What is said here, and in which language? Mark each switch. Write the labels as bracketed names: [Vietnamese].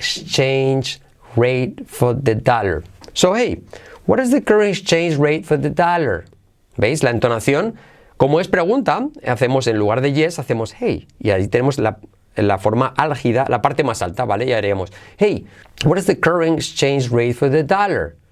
[English] What is the current exchange rate for the dollar? So, hey, what is the current exchange rate for the dollar? [Spanish] ¿Veis la entonación? Como es pregunta, hacemos en lugar de yes, hacemos hey. Y ahí tenemos la forma álgida, la parte más alta, ¿vale? Y haríamos, [English] hey, what is the current exchange rate for the dollar?